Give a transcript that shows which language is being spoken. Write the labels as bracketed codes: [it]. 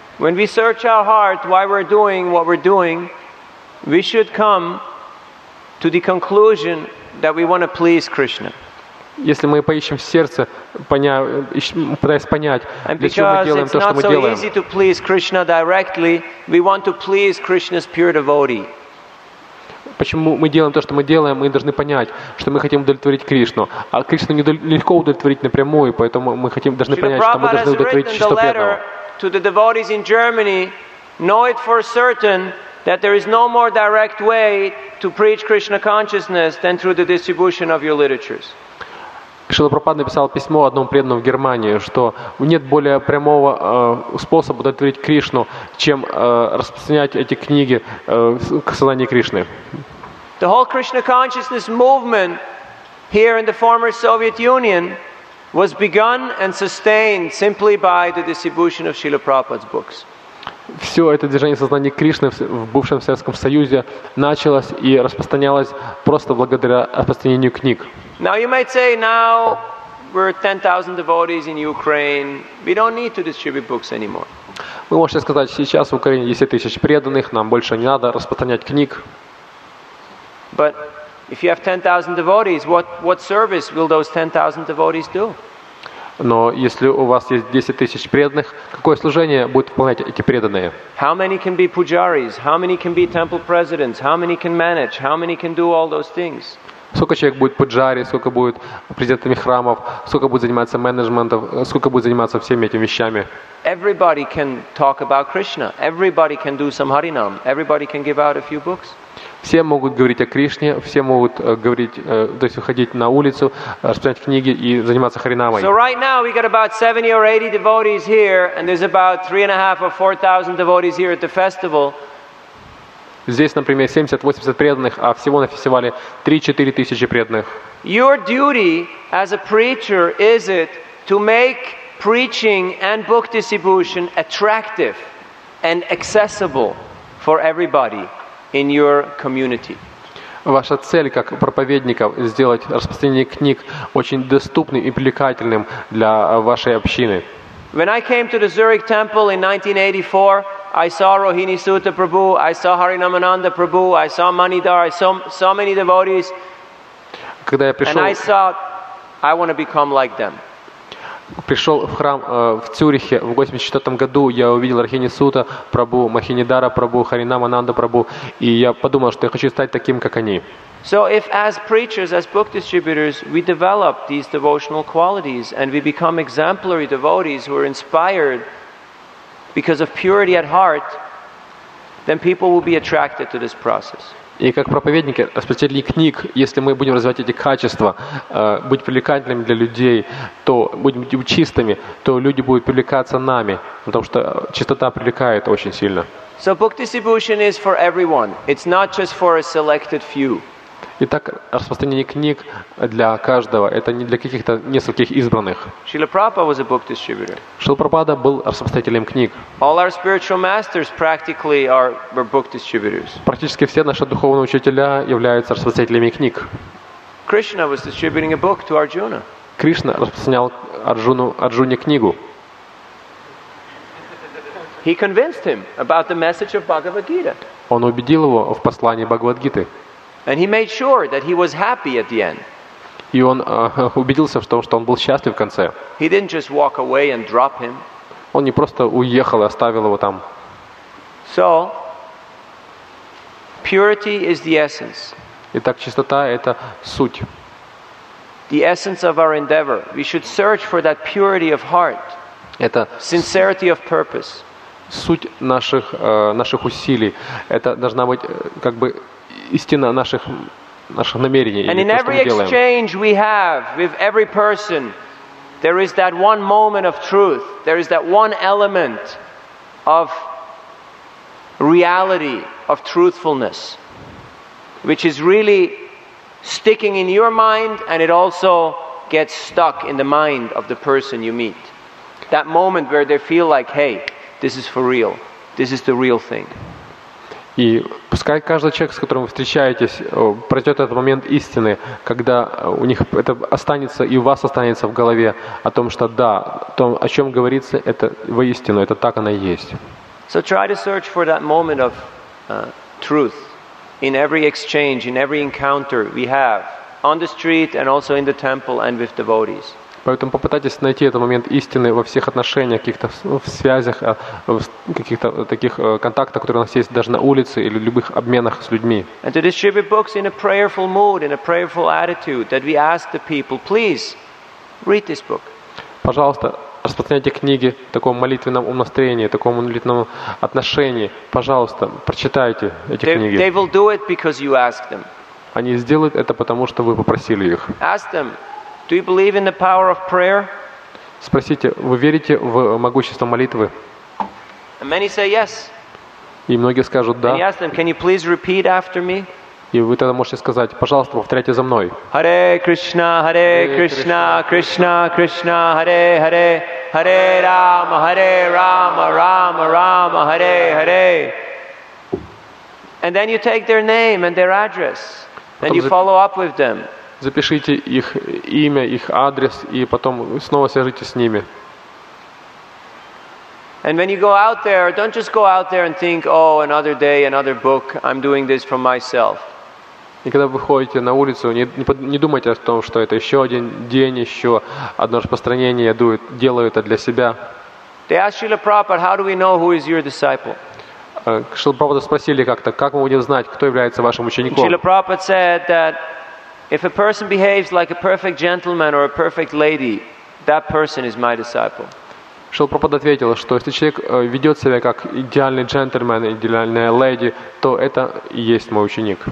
[en] When we search our heart, why we're doing what we're doing, we should come to the conclusion that we want to please Krishna. [ru] если мы поищем в сердце, пытаясь понять, для чего мы делаем то, что мы делаем. [en] Easy to please Krishna directly, we want to please Krishna's pure devotee. [ru] Почему мы делаем то, что мы делаем, мы должны понять, что мы хотим удовлетворить Кришну. А Кришну нелегко удовлетворить напрямую, поэтому мы хотим, должны понять, что мы должны удовлетворить чисто преданного. [en] To the devotees in Germany, know it for certain that there is no more direct way to preach Krishna consciousness than through the distribution of your literatures. [ru] Шрила Прабхупада написал письмо одному преданному в Германии, что нет более прямого способа удовлетворить Кришну, чем распространять эти книги к сознанию Кришны. [en] The whole Krishna consciousness movement here in the former Soviet Union was begun and sustained simply by the distribution of Srila Prabhupada's books. [ru] Все это движение сознания Кришны в бывшем Советском Союзе началось и распространялось просто благодаря распространению книг. [en] Now you might say, now we're 10,000 devotees in Ukraine. We don't need to distribute books anymore. [ru] Вы можете сказать, сейчас в Украине 10 тысяч преданных, нам больше не надо распространять книг. [en] But if you have 10,000 devotees, what service will those 10,000 devotees do? [ru] Но если у вас есть 10 тысяч преданных, какое служение будут выполнять эти преданные? [en] How many can be pujaris? How many can be temple presidents? How many can manage? How many can do all those things? [ru] Сколько человек будет пуджари, сколько будет президентами храмов, сколько будет заниматься менеджментом, сколько будет заниматься всеми этими вещами? [en] Everybody can talk about Krishna. Everybody can do some harinam. Everybody can give out a few books. [ru] Все могут говорить о Кришне, все могут говорить, то есть выходить на улицу, распространять книги и заниматься харинамой. [en] So right now we got about 70 or 80 devotees here, and there's about 3,500 or 4,000 devotees here at the festival. [ru] Здесь, например, 70-80 преданных, а всего на фестивале 3-4 тысячи преданных. [en] Your duty as a preacher is it to make preaching and book distribution attractive and accessible for everybody in your community. [ru] Ваша цель как проповедника сделать распространение книг очень доступным и привлекательным для вашей общины. [en] When I came to the Zurich Temple in 1984, I saw Rohini Sutta Prabhu, I saw Harinamananda Prabhu, I saw Manidhar, I saw so many devotees. [ru] Когда я пришел, [en] and I thought, I want to become like them. [ru] Пришел в храм в Цюрихе в 84 году, я увидел Рохини Сута Прабу, Махинидара Прабу, Харинамананда Прабу, и я подумал, что я хочу стать таким, как они. [en] So if as preachers, as book distributors, we develop these devotional qualities and we become exemplary devotees who are inspired because of purity at heart, then people will be attracted to this process. [ru] И как проповедники, распространители книг, если мы будем развивать эти качества, быть привлекательными для людей, то будем быть чистыми, то люди будут привлекаться нами, потому что чистота привлекает очень сильно. [en] So book distribution is for everyone. It's not just for a selected few. [ru] Итак, распространение книг для каждого, это не для каких-то нескольких избранных. [en] Шрила Прабхупада was a book distributor. [ru] Шрила Прабхупада был распространителем книг. [en] All our spiritual masters practically are book distributors. [ru] Практически все наши духовные учителя являются распространителями книг. [en] Krishna was distributing a book to Arjuna. [ru] Кришна распространял Арджуне книгу. [en] He convinced him about the message of Bhagavad Gita. [ru] Он убедил его в послании Бхагавад-гиты. [en] And he made sure that he was happy at the end. [ru] И он убедился в том, что он был счастлив в конце. [en] He didn't just walk away and drop him. [ru] Он не просто уехал и оставил его там. [en] So, purity is the essence. [ru] Итак, чистота — это суть. [en] The essence of our endeavor. We should search for that purity of heart. [ru] Это [en] sincerity of purpose. [ru] Суть наших усилий. Это должна быть как бы истина наших намерений. [en] And in every exchange we have with every person, there is that one moment of truth, there is that one element of reality, of truthfulness, which is really sticking in your mind, and it also gets stuck in the mind of the person you meet. That moment where they feel like, hey, this is for real, this is the real thing. [ru] И пускай каждый человек, с которым вы встречаетесь, пройдет этот момент истины, когда у них это останется и у вас останется в голове о том, что да, то, о чем говорится, это воистину, это так оно и есть. [en] So try to search for that moment of truth in every exchange, in every encounter we have on the street and also in the temple and with devotees. [ru] Поэтому попытайтесь найти этот момент истины во всех отношениях, каких-то в связях, в каких-то таких контактах, которые у нас есть даже на улице или в любых обменах с людьми. [en] And to distribute books in a prayerful mood, in a prayerful attitude, that we ask the people, please, read this book. [ru] Пожалуйста, распространяйте книги в таком молитвенном настроении, в таком молитвенном отношении. Пожалуйста, прочитайте эти книги. [en] They will do it because you ask them. [ru] Они сделают это потому, что вы попросили их. [en] Ask them. Do you believe in the power of prayer? [ru] Спросите, вы верите в могущество молитвы? [en] And many say yes. [ru] И многие скажут да. [en] And you ask them, can you please repeat after me? [ru] И вы тогда можете сказать, пожалуйста, повторяйте за мной. [sa] Hare Krishna, Hare Krishna, Krishna Krishna, Hare Hare, Hare Rama, Hare Rama, Rama Rama, Hare Hare. [en] And then you take their name and their address, and you follow up with them. [ru] Запишите их имя, их адрес, и потом снова свяжитесь с ними. [en] And when you go out there, don't just go out there and think, oh, another day, another book, I'm doing this for myself. [ru] И когда вы выходите на улицу, не думайте о том, что это еще один день, еще одно распространение, я делаю это для себя. [en] They asked Srila Prabhupada, how do we know who is your disciple? [ru] Шрила Прабхупада спросили как-то, как мы будем знать, кто является вашим учеником? [en] Srila Prabhupada said that if a person behaves like a perfect gentleman or a perfect lady, that person is my disciple. [ru] Шрила Прабхупада ответил, что если человек ведет себя как идеальный джентльмен, идеальная леди, то это и есть мой ученик.